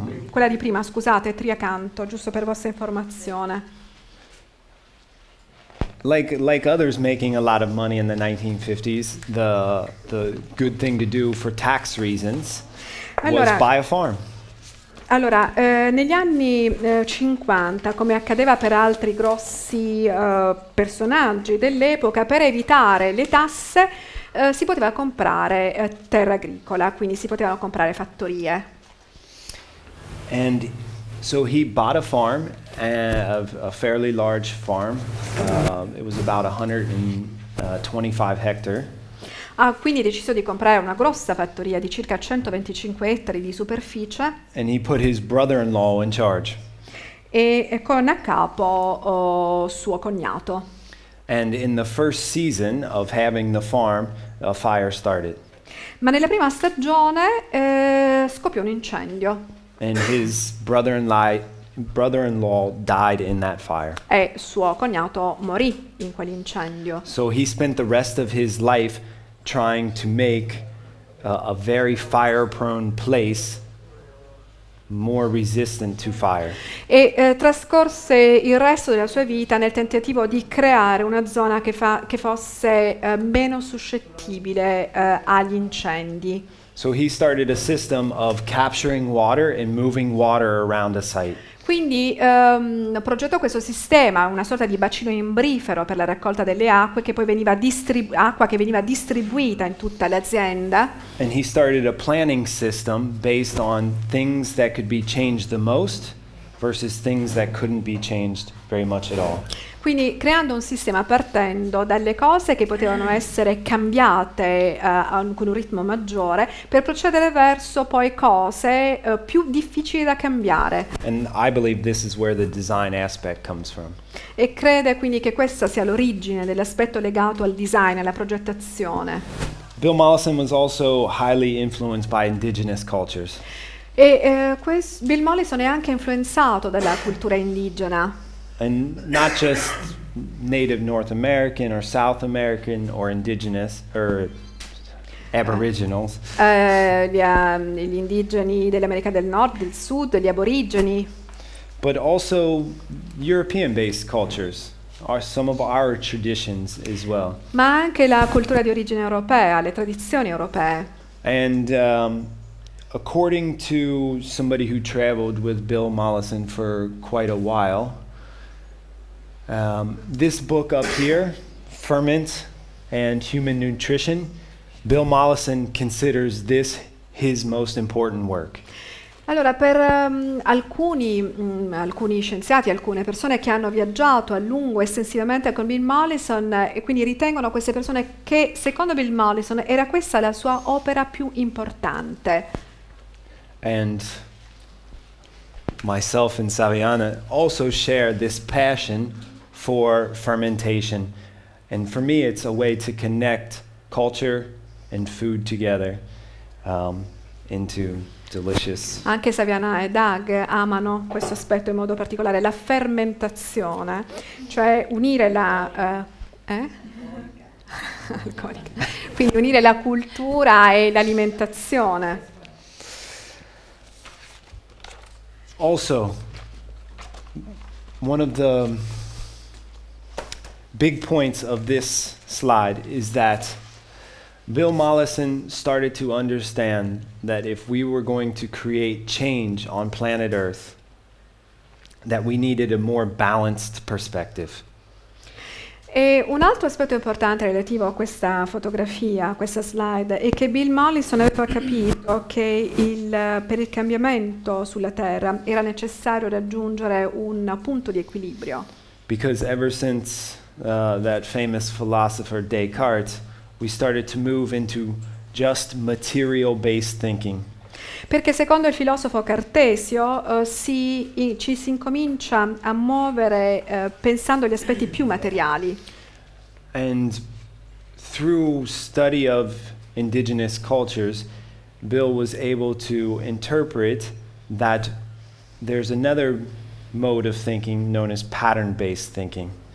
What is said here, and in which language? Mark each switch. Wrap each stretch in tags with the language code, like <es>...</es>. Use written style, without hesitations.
<it>Quella di prima, scusate, Triacanto, giusto per vostra informazione.</it> <en>Like others making a lot of money in the 1950s, the good thing to do for tax reasons</en> <it>allora,</it> <en>was buy a farm.</en> <it>Allora, negli anni 50, come accadeva per altri grossi personaggi dell'epoca, per evitare le tasse si poteva comprare terra agricola, quindi si potevano comprare fattorie.</it> <en>And so he bought a farm, a fairly large farm. It was about 125 hectare.</en> <it>ha quindi deciso di comprare una grossa fattoria di circa 125 ettari di superficie.</it> <en>And he put his brother-in-law in charge.</en> <it>E con a capo suo cognato.</it> <en>And in the first season of having the farm, a fire started.</en> <it>Ma nella prima stagione scoppiò un incendio.</it> <en>And his brother-in-law died in that fire.</en> <it>E suo cognato morì in quell'incendio.</it> <en>So he spent the rest of his life trying to make a very fire-prone place more resistant to fire.</en> <it>E trascorse il resto della sua vita nel tentativo di creare una zona che fosse meno suscettibile agli incendi.</it> <en>So he started a system of capturing water and moving water around a site.</en> <it>Quindi progettò questo sistema, una sorta di bacino imbrifero per la raccolta delle acque che poi veniva distribuita in tutta l'azienda.</it> <en>And he started a planning system based on things that could be changed the most versus things that couldn't be changed very much at all.</en> <it>Quindi creando un sistema partendo dalle cose che potevano essere cambiate con un ritmo maggiore per procedere verso poi cose più difficili da cambiare.</it> <en>And I believe this is where the design aspect comes from.</en> <it>E crede quindi che questa sia l'origine dell'aspetto legato al design, alla progettazione.</it> <en>Bill Mollison was also highly influenced by indigenous cultures.</en> <it>E Bill Mollison è anche influenzato dalla cultura indigena.</it> <en>And not just native North American or South American or indigenous or aboriginals.</en> <it>Gli indigeni dell'America del Nord, del Sud, gli aborigeni.</it> <en>But also European-based cultures are some of our traditions as well.</en> <it>Ma anche la cultura di origine europea, le tradizioni europee.</it> <en>And according to somebody who traveled with Bill Mollison for quite a while, this book up here, Ferment and Human Nutrition, Bill Mollison considers this his most important work.</en> <it>Allora, per alcuni scienziati, alcune persone che hanno viaggiato a lungo estensivamente con Bill Mollison, e quindi ritengono queste persone che, secondo Bill Mollison, era questa la sua opera più importante.</it> <en>And myself and Saviana also share this passion for fermentation, and for me it's a way to connect culture and food together into delicious.</en> <it>Anche Saviana e Doug amano questo aspetto in modo particolare, la fermentazione, cioè unire la alcolica. Quindi unire la cultura e l'alimentazione.</it> <en>Also, one of the big points of this slide is that Bill Mollison started to understand that if we were going to create change on planet Earth, that we needed a more balanced perspective.</en> <it>E un altro aspetto importante relativo a questa fotografia, a questa slide, è che Bill Mollison aveva capito che per il cambiamento sulla Terra era necessario raggiungere un punto di equilibrio.</it> <en>Because ever since that famous philosopher Descartes, we started to move into just material-based thinking.</en> <it>Perché secondo il filosofo Cartesio ci si incomincia a muovere pensando agli aspetti più materiali.</it> <en>And through study of indigenous cultures, Bill was able to interpret that there's another mode of thinking known as pattern-based thinking.</en>